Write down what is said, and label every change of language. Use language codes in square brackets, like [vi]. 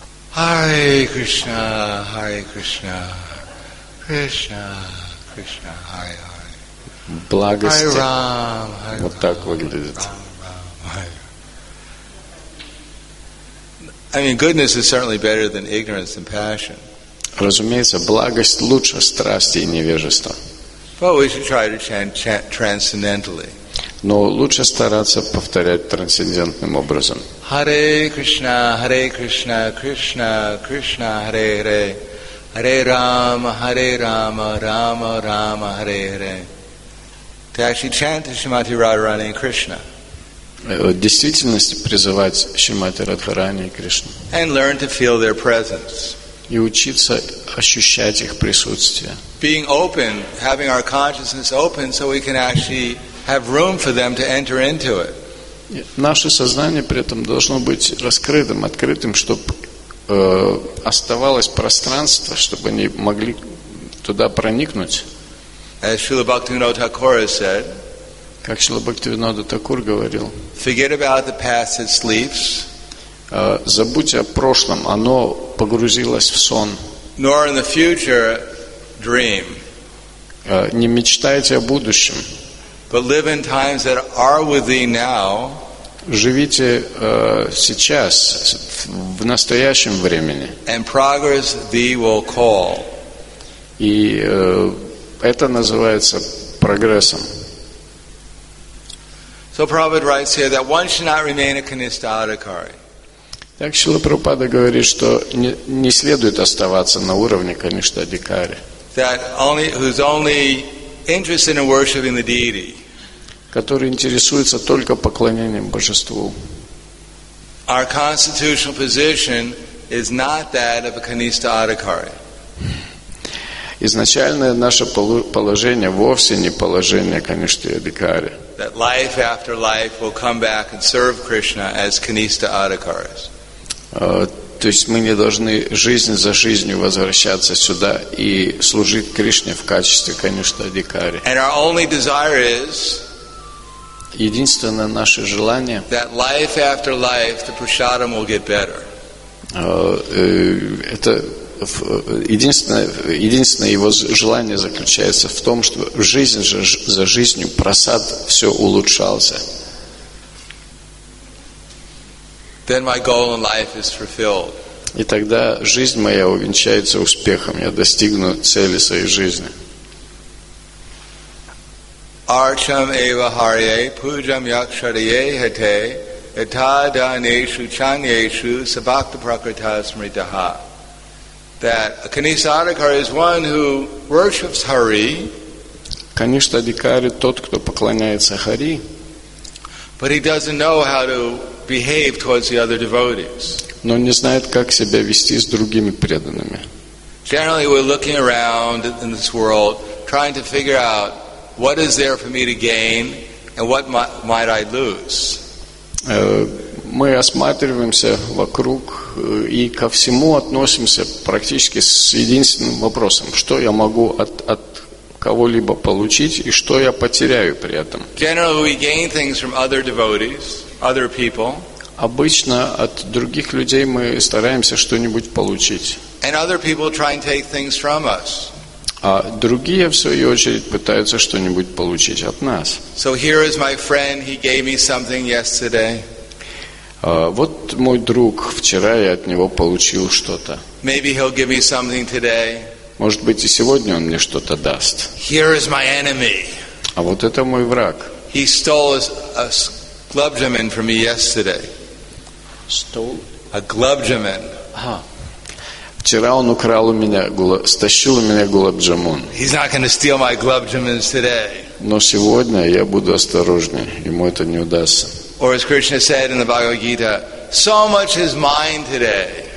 [sa] Hare Krishna, Hare Krishna, Krishna, Krishna, Hare Hare. [ru] Благости. [sa] Hare Ram, Hare Ram. [ru] Вот так выглядит. [en] I mean, goodness is certainly better than ignorance and passion. [ru] Разумеется, благость лучше страсти и невежества. [en] But we should try to chant transcendentally. [ru] Но лучше стараться повторять трансцендентным образом. [sa] Hare Krishna, Hare Krishna, Krishna, Krishna, Hare Hare. Hare Rama, Hare Rama, Rama Rama, Hare Hare. [en] To actually chant the Srimati Radharani and Krishna. [ru] В действительности призывать Шримати Радхарани и Кришну. [en] And learn to feel their presence. [ru] И учиться ощущать их присутствие. [en] Being open, having our consciousness open so we can actually have room for them to enter into it. [ru] Наше сознание при этом должно быть раскрытым, открытым, чтобы оставалось пространство, чтобы они могли туда проникнуть. [en] As Srila Bhaktivinoda Thakur said, [ru] как Шрила Бхактивинода Такур говорил, [en] forget about the past, it sleeps. [ru] Забудьте о прошлом, оно погрузилось в сон. [en] Nor in the future, dream. [ru] Не мечтайте о будущем. [en] But live in times that are with thee now. [ru] Живите сейчас, в настоящем времени. [en] And progress thee will call. [ru] И это называется прогрессом. [en] So Prabhupada writes here that one should not remain a Kanista Adhikari. [ru] Так Шрила Прабхупада говорит, что не следует оставаться на уровне Каништа Адхикари. [en] That only whose only interest in worshiping the deity. [ru] Который интересуется только поклонением божеству. [en] Our constitutional position is not that of a Kanista Adhikari. [ru] Изначальное наше положение вовсе не положение Каништы Адхикари. [en] That life after life will come back and serve Krishna as Kanista Adhikaris. [ru] То есть мы не должны жизнь за жизнью возвращаться сюда и служить Кришне в качестве Каништа Адхикари. [en] And our only desire is [ru] единственное наше желание [en] that life after life the prasadam will get better. [ru] Это единственное его желание заключается в том, что жизнь за жизнью просад все улучшался. [en] Then my goal in life is fulfilled. [ru] И тогда жизнь моя увенчается успехом. Я достигну цели своей жизни. [sa] Archam eva harye pujam yakshariye hete etada neshu chanyeshu sabakta prakritasmritaha. [en] That a Kanista Adhikari is one who worships Hari. [ru] Kanista Adhikari тот, кто поклоняется Хари. [en] But he doesn't know how to behave towards the other devotees. [ru] Но не знает, как себя вести с другими преданными. [en] Generally, we're looking around in this world, trying to figure out what is there for me to gain and what might I lose. [ru] Мы осматриваемся вокруг и ко всему относимся практически с единственным вопросом: что я могу от кого-либо получить и что я потеряю при этом? [en] Generally, we gain things from other devotees, other people. [ru] Обычно от других людей мы стараемся что-нибудь получить. [en] And other people try and take things from us. [ru] А другие, в свою очередь, пытаются что-нибудь получить от нас. [en] So here is my friend, he gave me something yesterday. [ru] Вот мой друг, вчера я от него получил что-то. [en] Maybe he'll give me something today. [ru] Может быть, и сегодня он мне что-то даст. [en] Here is my enemy. [ru] А вот это мой враг. [en] He stole a glubjaman from me yesterday. Stole? A glubjaman. [ru] Ага. Вчера он украл у меня, стащил у меня глобджамун. [en] He's not going to steal my glubjamans today. [ru] Но сегодня я буду осторожнее, ему это не удастся. [en] Or as Krishna said in the Bhagavad Gita, so much is mine today.